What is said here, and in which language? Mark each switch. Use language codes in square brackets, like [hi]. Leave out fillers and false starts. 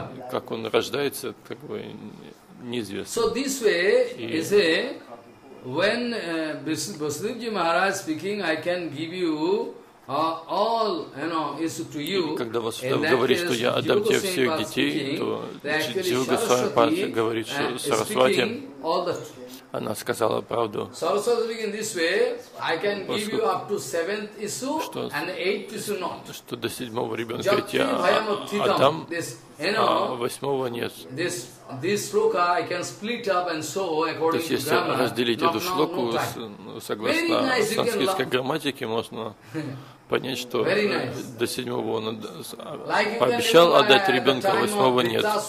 [ru] Как он рождается, как бы неизвестно. [en] So this way, you see, when Vasudev Ji Maharaj speaking, I can give you all, you know, is to you. [ru] Когда Васудев говорит, что я отдам тебе всех детей, то Джива Госвами Пад говорит, что Сарасвати, она сказала правду. [en] Sarasvati speaking this way, I can give you up to seventh issue and eighth issue not. [ru] Что до седьмого ребенка я отдам, а восьмого нет. [en] This shloka I can split up and so according to grammar. [ru] То есть если разделить эту шлоку согласно санскритской грамматике, можно понять, что до седьмого он пообещал отдать ребенка, а восьмого нет.